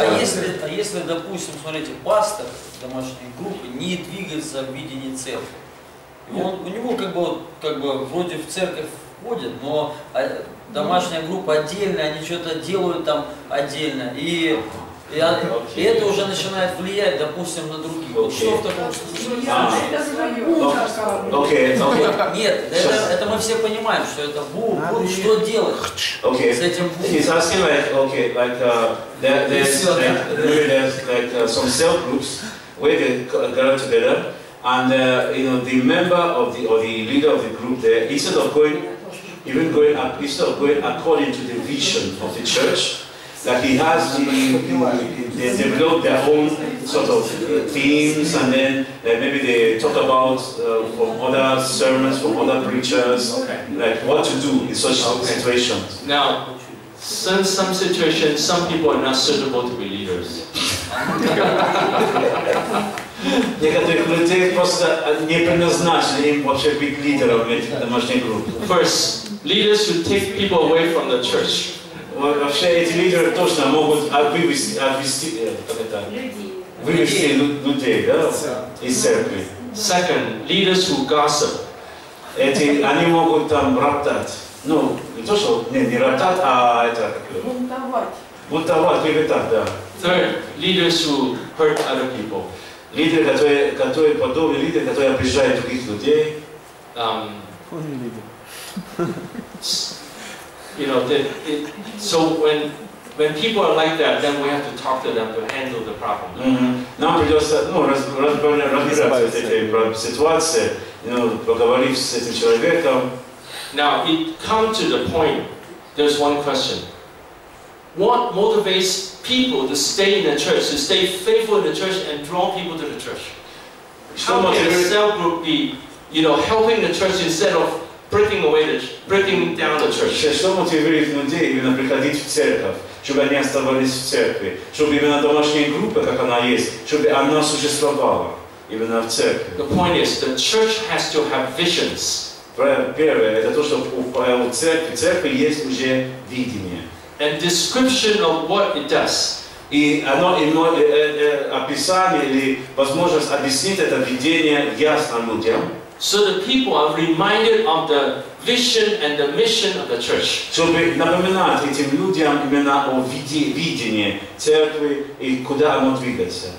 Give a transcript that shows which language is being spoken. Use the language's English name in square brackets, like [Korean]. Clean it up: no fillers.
[Russian] А если, допустим, смотрите, пастор домашней группы не двигается в видении церкви, он, у него как бы вроде в церковь входит, но домашняя группа отдельная, они что-то делают там отдельно, и это уже начинает влиять, допустим, на других. Вот что в таком случае? Это мы все понимаем, что это бур, что делать с этим бур. [English] He's asking like some cell groups where they gather together, and you know the member of the or the leader of the group there, instead of going according to the vision of the church. That he has they develop their own sort of themes, and then maybe they talk about from other sermons, from other preachers, like what to do in such situations. Now, in some situations, some people are not suitable to be leaders. [Russian] Некоторые люди просто не предназначены им вообще быть лидером в домашней группе. [English] First, leaders should take people away from the church. [Russian] Вообще эти лидеры точно могут вывести людей, да, из церкви. [English] Second, leaders who gossip. [Russian] Эти они могут там роптать. Ну, не то что не роптать, а это. Бунтовать, клеветать, да. [English] Third, leaders who hurt other people. [Russian] Лидеры, которые подобные лидеры, которые обижают других людей. [English] You know, so when people are like that, then we have to talk to them to handle the problem. [Russian] Нам придется, ну, разбираться с этой ситуацией, you know, поговорить с этим человеком. [English] Now, it comes to the point, there's one question. What motivates people to stay in the church, to stay faithful in the church and draw people to the church? How can a cell group be, you know, helping the church instead of breaking down the church. [Russian] Что мотивирует людей именно приходить в церковь, чтобы они оставались в церкви, чтобы именно домашняя группа, как она есть, чтобы она существовала именно в церкви. [English] The point is, the church has to have visions. [Russian] Первое, это то, что у церкви есть уже видение. [English] A description of what it does. [Russian] И оно описание или возможность объяснить это видение ясно людям. [English] So the people are reminded of the vision and the mission of the church. [Russian] Чтобы напоминать этим людям именно о видении церкви и куда оно двигается.